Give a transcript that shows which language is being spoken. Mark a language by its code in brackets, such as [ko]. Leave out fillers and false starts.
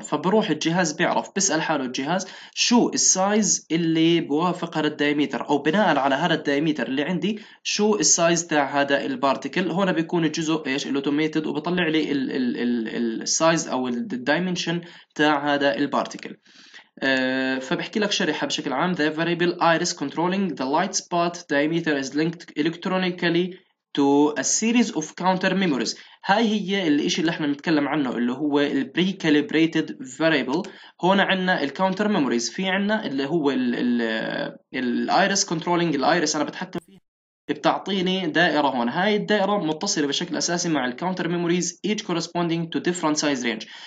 [ar] فبروح الجهاز بيعرف، بيسال حاله الجهاز شو السايز اللي بوافق هذا الدايمتر، او بناء على هذا الدايمتر اللي عندي شو السايز تاع هذا البارتيكل. هون بيكون الجزء ايش؟ الاوتوميتد، وبطلع لي السايز او الدايمنشن تاع هذا البارتيكل. فبحكي لك شريحة بشكل عام. [en] The variable iris controlling the light spot diameter is linked electronically to a series of counter memories. [ar] هاي هي الاشي اللي احنا نتكلم عنه اللي هو ال pre-calibrated variable. هون عنا ال counter memories، في عنا اللي هو ال iris controlling ال iris، انا بتحكم فيها، بتعطيني دائرة هون. هاي الدائرة متصلة بشكل أساسي مع الكاونتر ميموريز [en] each corresponding to different size range.